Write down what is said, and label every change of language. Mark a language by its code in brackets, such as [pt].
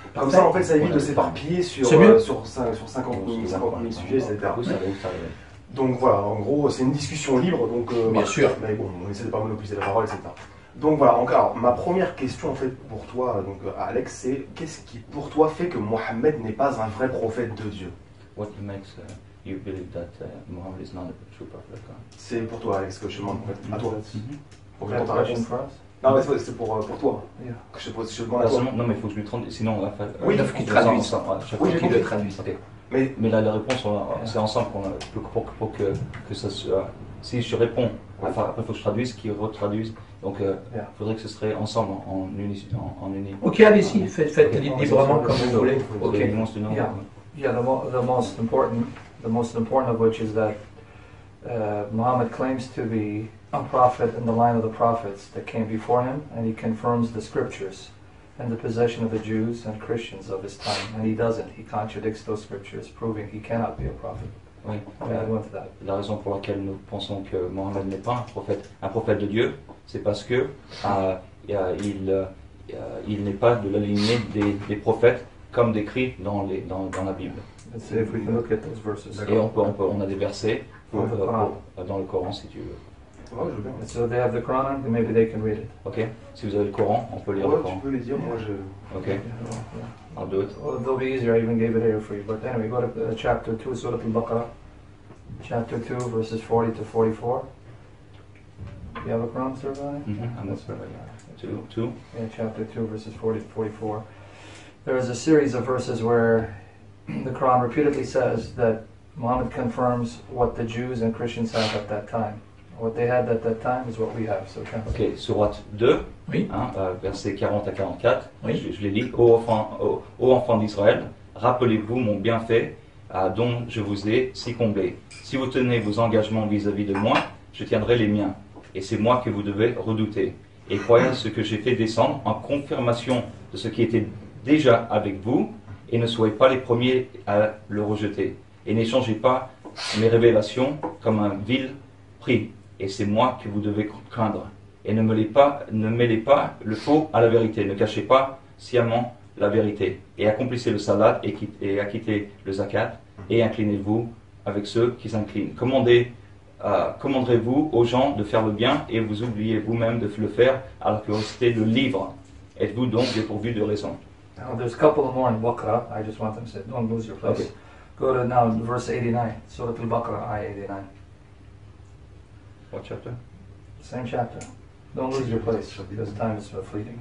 [fr] Comme ça en fait ça évite de s'éparpiller sur 50 000 sujets, etc. Donc voilà, en gros c'est une discussion libre, donc bien sûr. Mais bon, on essaie de ne pas monopoliser la parole, etc. Donc voilà, encore, ma première question en fait pour toi, donc Alex, c'est qu'est-ce qui pour toi fait que Mohammed n'est pas un vrai prophète de Dieu? [en] What makes you believe that Mohammed is not a true prophet? [fr] C'est pour toi, Alex, que je demande en fait. À toi. Pour que tu réponds. Non, mais c'est pour toi. Yeah. Que je te pose, je demande à toi. Non, mais il faut que je lui traduise, sinon on va faire. Oui, il faut qu'il traduise ça. Oui, qu'il le traduise. Okay. Mais là, la réponse, c'est ensemble pour que ça soit. Si je réponds, après il faut que je traduise, qu'il retraduise. Donc, il faudrait que ce serait ensemble, en uni. Ok, allez-y, faites okay. Librement comme vous voulez. [en] Ok. Okay. Yeah. Yeah, the most important of which is that Muhammad claims to be a prophet in the line of the prophets that came before him, and he confirms the scriptures and the possession of the Jews and Christians of his time, and he doesn't. He contradicts those scriptures, proving he cannot be a prophet. [fr] La raison pour laquelle nous pensons que Mohammed n'est pas un prophète de Dieu, c'est parce que il n'est pas de la lignée des prophètes comme décrit dans la Bible. On a des versets dans le Coran si tu veux. [en] Ouais, so they have the Quran, and maybe they can read it. Okay. [fr] Si vous avez le Coran, on peut lire le Coran. Tu peux les dire, moi je. [en] Okay. Yeah, well, yeah. I'll do it. Well, they'll be easier. I even gave it here for you. But anyway, go to chapter 2, Surah Al-Baqarah, chapter 2, verses 40-44. You have a Quran, sir, guy? Mm-hmm. That's right. Two. Yeah, chapter 2, verses 40-44. There is a series of verses where the Quran repeatedly says that Muhammad confirms what the Jews and Christians have at that time. What they had at that time is what we have. So, [fr] ok, sourate 2, oui. Versets 40 à 44, oui. Je les lis. Ô enfants d'Israël, rappelez-vous mon bienfait dont je vous ai si comblé. Si vous tenez vos engagements vis-à-vis de moi, je tiendrai les miens. Et c'est moi que vous devez redouter. Et croyez ce que j'ai fait descendre en confirmation de ce qui était déjà avec vous, et ne soyez pas les premiers à le rejeter. Et n'échangez pas mes révélations comme un vil prix. Et c'est moi que vous devez craindre. Et ne mêlez pas le faux à la vérité. Ne cachez pas sciemment la vérité. Et accomplissez le salat et acquittez le zakat. Et inclinez-vous avec ceux qui s'inclinent. Commanderez-vous aux gens de faire le bien et vous oubliez vous-même de le faire à la curiosité de livre. Êtes-vous donc dépourvu de raison? [en] Now, there's a couple more in Baqarah. I just want them to say, don't lose your place. Okay. Go to now verse 89. Surah Al-Baqarah, ayah 89. What chapter? Same chapter. Don't lose your place because time is fleeting.